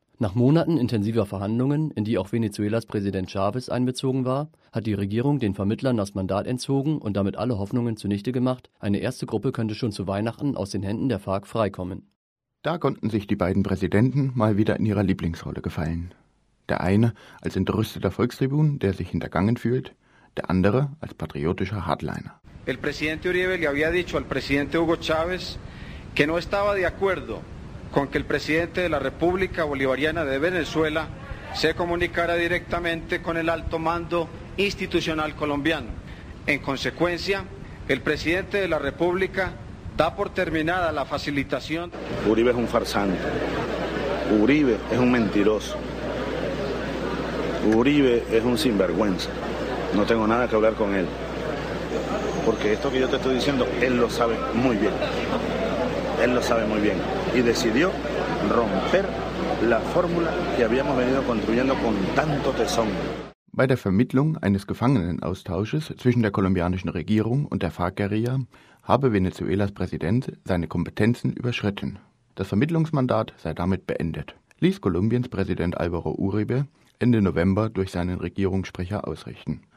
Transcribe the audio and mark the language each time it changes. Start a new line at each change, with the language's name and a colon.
German: Nach Monaten intensiver Verhandlungen, in die auch Venezuelas Präsident Chavez einbezogen war, hat die Regierung den Vermittlern das Mandat entzogen und damit alle Hoffnungen zunichte gemacht, eine erste Gruppe könnte schon zu Weihnachten aus den Händen der FARC freikommen. Da konnten sich die beiden Präsidenten mal wieder in ihrer Lieblingsrolle gefallen. Der eine als entrüsteter Volkstribun, der sich hintergangen fühlt, der andere als patriotischer Hardliner.
Spanish: El presidente Uribe le había dicho al presidente Hugo Chávez que no estaba de acuerdo con que el presidente de la República Bolivariana de Venezuela se comunicara directamente con el alto mando institucional colombiano. En consecuencia, el presidente de la República da por terminada la facilitación. Uribe es un farsante. Uribe es un mentiroso. Uribe es un sinvergüenza. No tengo nada que hablar con él. Porque esto que yo te estoy diciendo, él lo sabe muy bien. Él lo sabe muy bien. Y decidió romper la fórmula que habíamos venido construyendo con tanto tesón.
German: Bei der Vermittlung eines Gefangenenaustausches zwischen der kolumbianischen Regierung und der FARC-Guerilla habe Venezuelas Präsident seine Kompetenzen überschritten. Das Vermittlungsmandat sei damit beendet, ließ Kolumbiens Präsident Álvaro Uribe Ende November durch seinen Regierungssprecher ausrichten.